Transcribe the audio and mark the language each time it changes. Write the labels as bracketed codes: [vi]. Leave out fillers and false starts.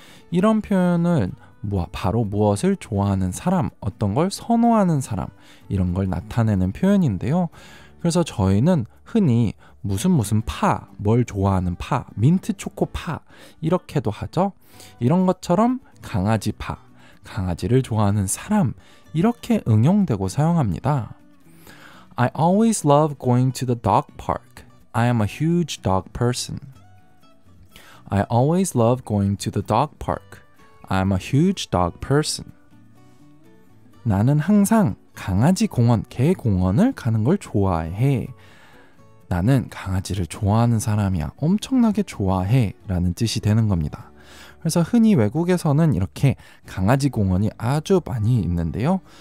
[ko] 이런 표현은 바로 무엇을 좋아하는 사람, 어떤 걸 선호하는 사람, 이런 걸 나타내는 표현인데요. 그래서 저희는 흔히 무슨 무슨 파, 뭘 좋아하는 파, 민트 초코 파, 이렇게도 하죠. 이런 것처럼 강아지 파, 강아지를 좋아하는 사람, 이렇게 응용되고 사용합니다. [en] I always love going to the dog park. I am a huge dog person. I always love going to the dog park. I'm a huge dog person. [ko] 나는 항상 강아지 공원, 개 공원을 가는 걸 좋아해. 나는 강아지를 좋아하는 사람이야. 엄청나게 좋아해. 라는 뜻이 되는 겁니다. 그래서 흔히 외국에서는 이렇게 강아지 공원이 아주 많이 있는데요.